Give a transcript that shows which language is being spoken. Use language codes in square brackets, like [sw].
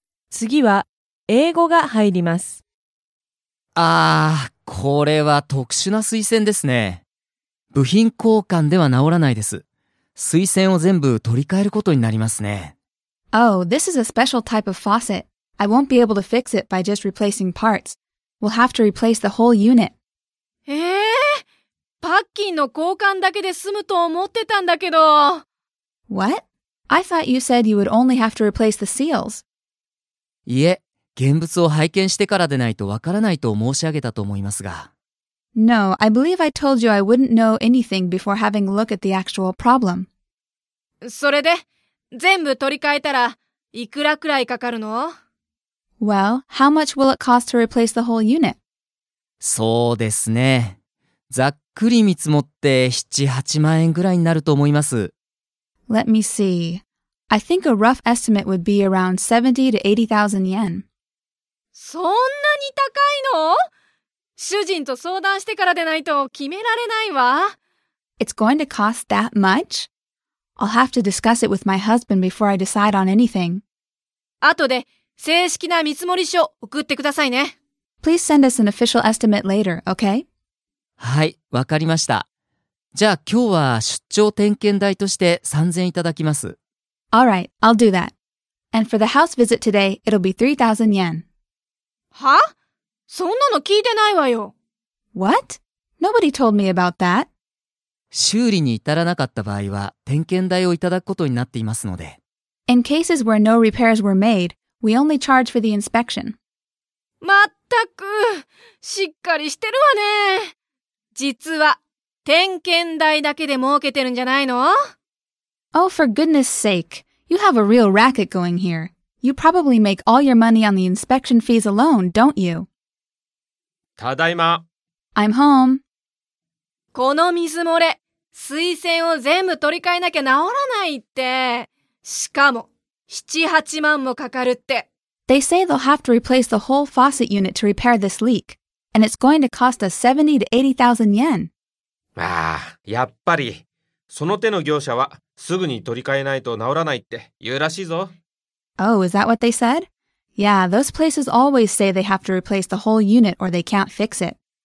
[ja] 次は英語が入ります。ああ、これは特殊な水栓ですね。部品交換では直らないです。水栓を全部取り替えることになりますね。 [en] Oh, this is a special type of faucet. I won't be able to fix it by just replacing parts. We'll have to replace the whole unit. [ja] パッキンの交換だけで済むと思ってたんだけど。 [en] What? I thought you said you would only have to replace the seals. [ja] いえ、現物を拝見してからでないとわからないと申し上げたと思いますが。 [en] No, I believe I told you I wouldn't know anything before having a look at the actual problem. [ja] それで、全部取り替えたらいくらくらいかかるの？ [en] Well, how much will it cost to replace the whole unit? [ja] そうですね。ざっくり見積もって7、8万円ぐらいになると思います。 [en] Let me see. I think a rough estimate would be around 70 to 80,000 yen. [ja] そんなに高いの？主人と相談してからでないと決められないわ。 [en] It's going to cost that much? I'll have to discuss it with my husband before I decide on anything. [ja] 後で正式な見積書送ってくださいね。 [en] Please send us an official estimate later, okay? [ja] はい、わかりました。じゃあ今日は出張点検代として3000円いただきます。 [en] Alright, I'll do that. And for the house visit today, it'll be 3,000 yen. [ja] は? そんなの聞いてないわよ。 [en] What? Nobody told me about that. [ja] 修理に至らなかった場合は、点検代をいただくことになっていますので。 [en] In cases where no repairs were made, we only charge for the inspection. [ja] まったく、しっかりしてるわね。実は、点検代だけで儲けてるんじゃないの? [en] Oh, for goodness sake. You have a real racket going here. You probably make all your money on the inspection fees alone, don't you? [ja] ただいま。 [en] I'm home. [ja] この水漏れ、水栓を全部取り替えなきゃ治らないって。しかも、7、8万もかかるって。 [en] They say they'll have to replace the whole faucet unit to repair this leak. And it's going to cost us 70 to 80,000 yen. [ja] ああ、やっぱり。その手の業者は、すぐに取り替えないと治らないって言うらしいぞ。 [en] Oh, is that what they said? Yeah, those places always say they have to replace the whole unit or they can't fix it.